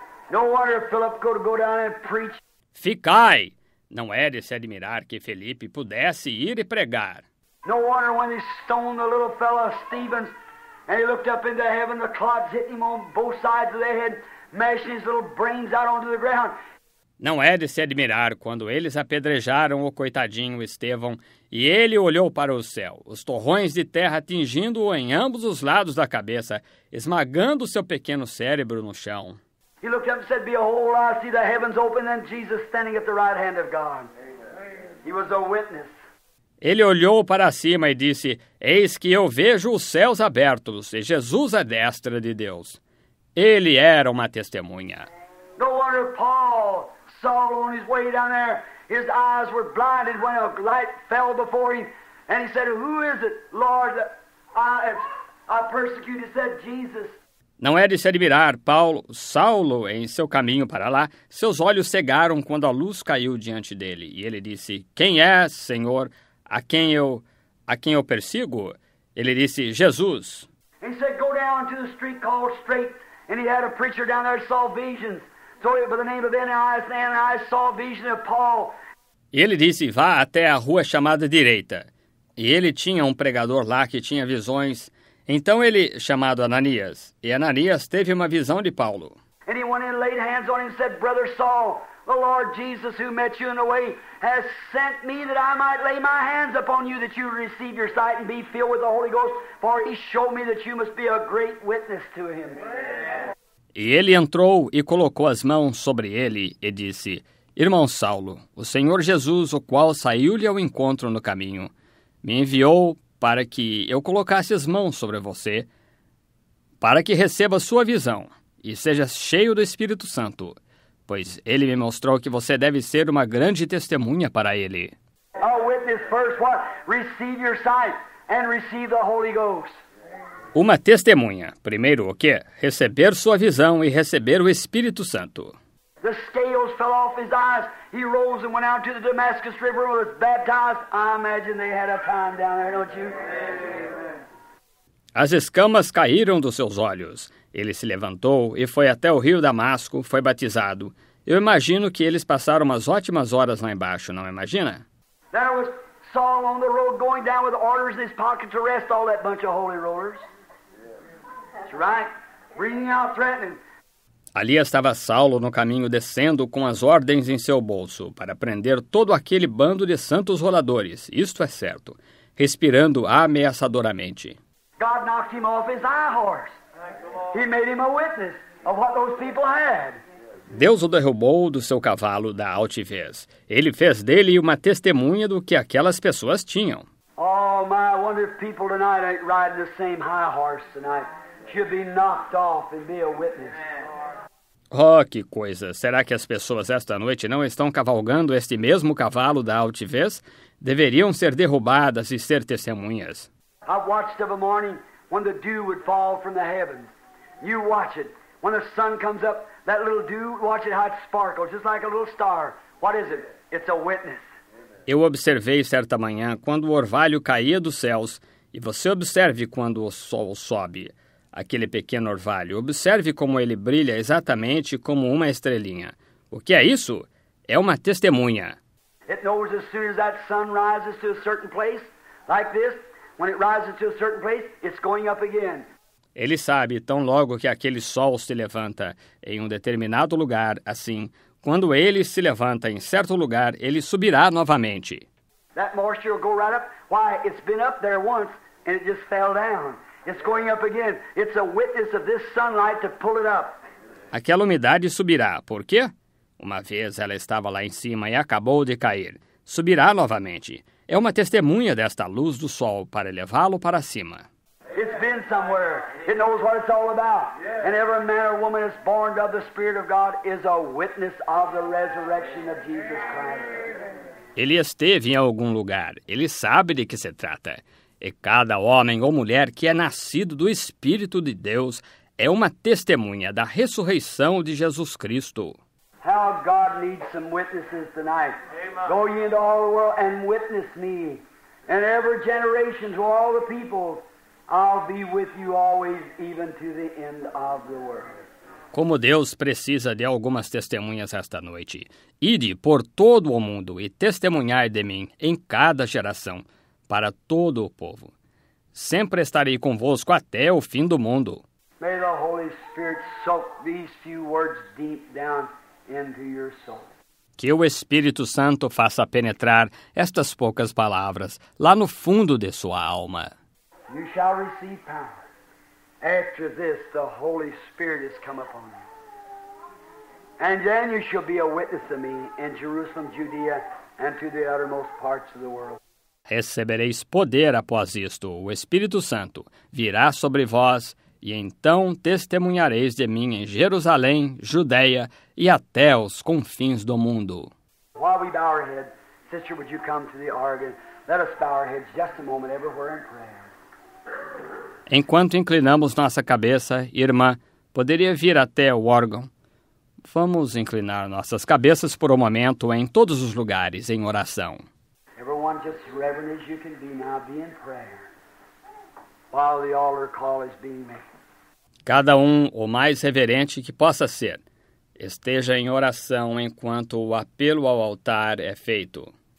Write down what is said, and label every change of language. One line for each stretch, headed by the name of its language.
English: No wonder Philip could go down and preach.
Portuguese: Ficai! Não é de se admirar que Felipe pudesse ir e pregar.
English: No wonder when he stoned the little fellow Stephen and he looked up into heaven, the clods hit him on both sides of the head, mashing his little brains out onto the ground.
Portuguese: Não é de se admirar quando eles apedrejaram o coitadinho Estevão e ele olhou para o céu, os torrões de terra atingindo-o em ambos os lados da cabeça, esmagando seu pequeno cérebro no chão.
English: He looked up and said, behold, I see the heavens open and Jesus standing at the right hand of God. He was a witness.
Portuguese: Ele olhou para cima e disse, eis que eu vejo os céus abertos e Jesus à destra de Deus. Ele era uma testemunha.
English: No wonder Paul, Saul, on his way down there, his eyes were blinded when a light fell before him, and he said, who is it, Lord, that I persecuted? Said Jesus.
Portuguese: Não é de se admirar, Paulo. Saulo, em seu caminho para lá, seus olhos cegaram quando a luz caiu diante dele. E ele disse, quem é, Senhor, a quem eu persigo? Ele disse, Jesus.
English: He said, go down to the street called Straight, and he had a preacher down there saw visions. So it by the name of Ananias, and Ananias saw a vision of Paul.
Portuguese: Ele disse, vá até a rua chamada Direita. E ele tinha um pregador lá que tinha visões. Então ele, chamado Ananias, e Ananias teve uma visão de Paulo.
English: And he went in and laid hands on him and said, Brother Saul, the Lord Jesus who met you in the way has sent me that I might lay my hands upon you that you receive your sight and be filled with the Holy Ghost, for he showed me that you must be a great witness to him.
Portuguese: E ele entrou e colocou as mãos sobre ele e disse, Irmão Saulo, o Senhor Jesus, o qual saiu-lhe ao encontro no caminho, me enviou para que eu colocasse as mãos sobre você, para que receba sua visão e seja cheio do Espírito Santo, pois ele me mostrou que você deve ser uma grande testemunha para ele.
English: A witness first, what? Receive your sight and receive the Holy Ghost.
Portuguese: Uma testemunha. Primeiro, o quê? Receber sua visão e receber o Espírito Santo.
English: The scales fell off his eyes. He rose and went out to the Damascus River and was baptized. I imagine they had a time down there, don't you?
Portuguese: As escamas caíram dos seus olhos. Ele se levantou e foi até o rio Damasco, foi batizado. Eu imagino que eles passaram umas ótimas horas lá embaixo, não imagina?
English: There was Saul on the road going down with orders in his pocket to arrest all that bunch of holy rollers. That's right. Bringing out threatening.
Portuguese: Ali estava Saulo no caminho descendo com as ordens em seu bolso para prender todo aquele bando de santos roladores, isto é certo, respirando ameaçadoramente.
English: God knocked him off his high horse. He made him a witness of what those people had.
Portuguese: Deus o derrubou do seu cavalo da altivez. Ele fez dele uma testemunha do que aquelas pessoas tinham.
English: Oh, my, I wonder if people tonight ain't riding the same high horse tonight. Should be knocked off and be a witness.
Portuguese: Oh, que coisa! Será que as pessoas esta noite não estão cavalgando este mesmo cavalo da altivez? Deveriam ser derrubadas e ser testemunhas.
English: I watched of a morning when the dew would fall from the heavens. You watch it. When the sun comes up, that little dew, watch it how it sparkles, just like a little star. What is it? It's a witness.
Portuguese: Eu observei certa manhã quando o orvalho caía dos céus, e você observe quando o sol sobe. Aquele pequeno orvalho, observe como ele brilha exatamente como uma estrelinha. O que é isso? É uma testemunha.
English: It knows as soon as that sun rises to a certain place, like this, when it rises to a certain place, it's going up again.
Portuguese: Ele sabe, tão logo que aquele sol se levanta em um determinado lugar, assim, quando ele se levanta em certo lugar, ele subirá novamente.
English: That moisture will go right up. Why, it's been up there once, and it just fell down. It's going up again. It's a witness of this sunlight to pull it up.
Portuguese: Aquela umidade subirá. Por quê? Uma vez ela estava lá em cima e acabou de cair. Subirá novamente. É uma testemunha desta luz do sol para levá-lo para cima.
English: It's been somewhere. It knows what it's all about. And every man or woman that's born of the Spirit of God is a witness of the resurrection of Jesus Christ.
Portuguese: Ele esteve em algum lugar. Ele sabe de que se trata. E cada homem ou mulher que é nascido do Espírito de Deus é uma testemunha da ressurreição de Jesus Cristo.
English: How God needs some witnesses tonight. Go ye into all the world and witness me. And every generation to all the peoples, I'll be with you always, even to the end of the world.
Portuguese: Como Deus precisa de algumas testemunhas esta noite. Ide por todo o mundo e testemunhai de mim em cada geração. Para todo o povo. Sempre estarei convosco até o fim do mundo.
English: May the Holy Spirit soak these few words deep down into your soul.
Portuguese: Que o Espírito Santo faça penetrar estas poucas palavras lá no fundo de sua alma.
English: You shall receive power. After this, the Holy Spirit has come upon you. And then you shall be a witness of me in Jerusalem, Judea, and to the uttermost parts of the world.
Portuguese: Recebereis poder após isto, o Espírito Santo virá sobre vós, e então testemunhareis de mim em Jerusalém, Judeia e até os confins do mundo.
English: While we bow our head, sister, would you come to the organ? Let us bow our heads just a moment, everywhere in prayer.
Portuguese: Enquanto inclinamos nossa cabeça, irmã, poderia vir até o órgão? Vamos inclinar nossas cabeças por um momento em todos os lugares, em oração.
English: Everyone, just as reverent as you can be now, be in prayer, while the altar call is being made.
Portuguese: Cada um, o mais reverente que possa ser, esteja em oração enquanto o apelo ao altar é feito.